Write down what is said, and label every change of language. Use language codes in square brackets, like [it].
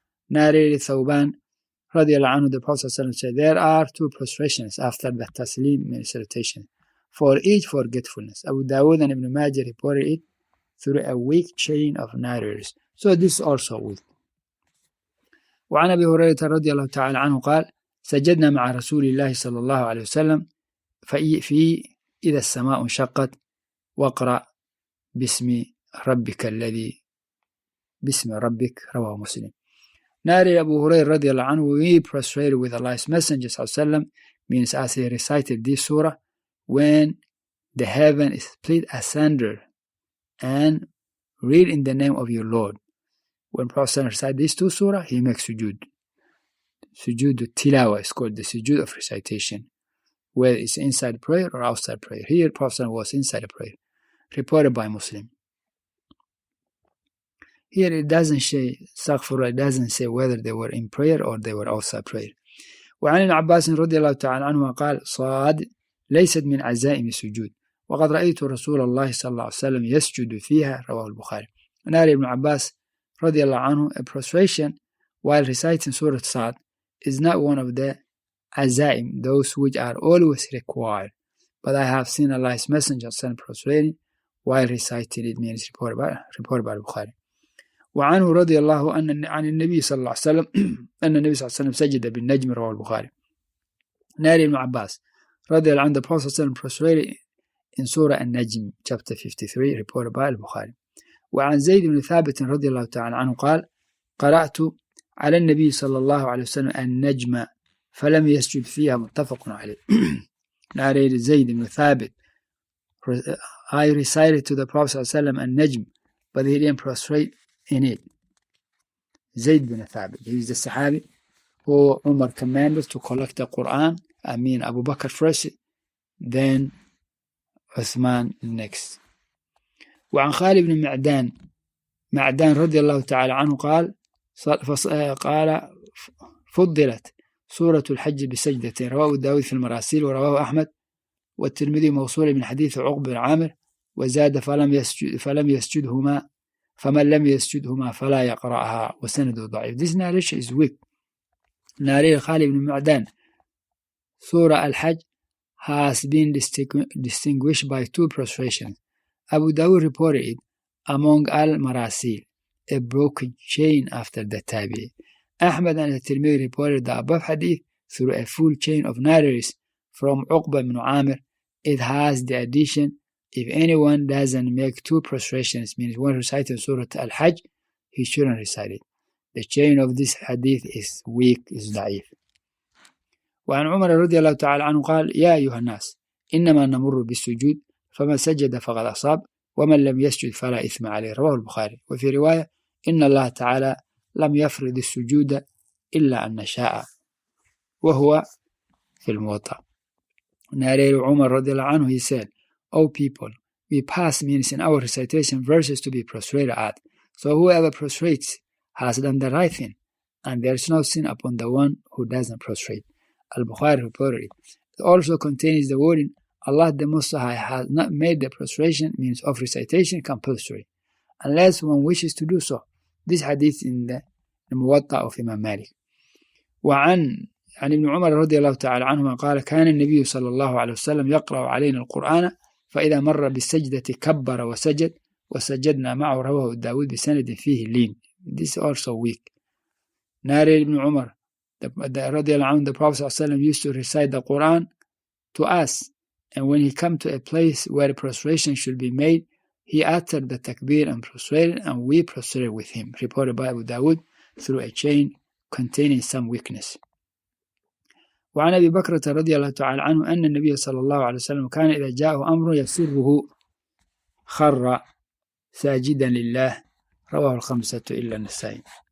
[en] Narrated Thawban radiallahu anhu, the Prophet said, there are two prostrations after the taslim salutation for each forgetfulness. Abu Dawud and Ibn Majah reported it through a weak chain of narrators. So this is also weak. [ar] وعن أبي هريرة رضي الله تعالى عنه قال سجدنا مع رسول الله صلى الله عليه وسلم في إذا السماء انشقت وقرأ باسم ربك الذي باسم ربك. رواه مسلم. [en] Narrated Abu Hurairah radiallahu anhu, we prostrated with Allah's Messenger sallallahu alayhi wa sallam, means as he recited this surah, when the heaven is split asunder, and read in the name of your Lord. When Prophet sallallahu alayhi wa sallam recited these two surah, he makes sujood. Sujood tilawa is called the sujood of recitation, whether it's inside prayer or outside prayer. Here Prophet sallallahu alayhi wa sallam was inside prayer, reported by Muslim. Here it doesn't say Saqfura, it doesn't say whether they were in prayer or they were outside prayer. [ar] وعن العباس رضي الله تعالى عنه قال صاد ليست من عزائم السجود وقد رأيت رسول الله صلى الله عليه وسلم يسجد فيها. رواه البخاري. [en] ناري بن عباس رضي الله عنه, a prostration while reciting Surah Saad is not one of the azaim, those which are always required. But I have seen Allah's Messenger send prosperity while reciting it, means report by Bukhari. [ar] وعنه رضي الله أن عن النبي صلى الله عليه وسلم أن النبي صلى الله عليه وسلم سجد بالنجم رواه البخاري. [en] ناري بن عباس رضي الله عن the Prophet صلى الله عليه وسلم prostrated in Surah An-Najm chapter 53 reported by البخاري. [ar] وعن زيد بن ثابت رضي الله تعالى عنه قال قرأت على النبي صلى الله عليه وسلم النجم فلم يسجد فيها متفق عليه. [en] ناري زيد بن ثابت I recited to the Prophet صلى الله عليه وسلم النجم but he didn't prostrate in it. Zayd bin Thabit, he is the Sahabi who Umar commanded to collect the Quran. I mean Abu Bakr first, then Uthman next. [ar] وعن خالد بن معدان معدان رضي الله تعالى عنه قال قال فضلت سورة الحج بسجدتين رواه داود في المراسيل ورواه أحمد والترمذي موصول من حديث عقب بن عامر وزاد فلم يسجدهما فَمَنْ لَمْ يَسْجُدْهُمَا فَلَا يَقْرَأَهَا وَسَنَدُهُ ضَعِيفٌ. [en] This narration is weak. Narir Khali ibn Mu'adan, Surah Al-Hajj has been distinguished by two prostrations. Abu Dawud reported it among Al-Marasil, a broken chain after the Tabi. Ahmad al-Tirmidhi reported the above hadith through a full chain of narrators from Uqba ibn Amir. It has the addition, if anyone doesn't make two prostrations, means one reciting Surah Al-Hajj, he shouldn't recite it. The chain of this hadith is weak, is da'if. [ar] وعن عمر رضي الله تعالى عنه قال يا أيها الناس إنما نمر بالسجود فمن سجد فقد أصاب ومن لم يسجد فلا إثم عليه رواه البخاري. وفي رواية إن الله تعالى لم يفرض السجود إلا أن شاء وهو في الموطأ. [en] نارير عمر رضي الله عنه he said, O people, we pass means in our recitation verses to be prostrated at. So whoever prostrates has done the right thing, and there is no sin upon the one who doesn't prostrate. Al-Bukhari reported it. It also contains the wording, Allah the Most High has not made the prostration means of recitation compulsory, unless one wishes to do so. This hadith in the Muwatta of Imam Malik. [ar] وعن ابن عمر رضي الله تعالى عنهما قال كان النبي صلى الله عليه وسلم يقرأ علينا القرآن فإذا مر بالسجدة كبر وسجد وسجدنا معه رواه داود بسند فيه لين. [en] This also weak. Narrated ibn Umar, رضي الله عنه, the Prophet صلى الله عليه وسلم used to recite the Quran to us, and when he come to a place where prostration should be made, he uttered the takbir and prostrated, and we prostrated with him. Reported by Abu Dawood through a chain containing some weakness. [ar] وعن أبي بكرة رضي الله تعالى عنه أن النبي صلى الله عليه وسلم كان إذا جاءه أمر يسره خر ساجدا لله رواه الخمسة إلا النسائي.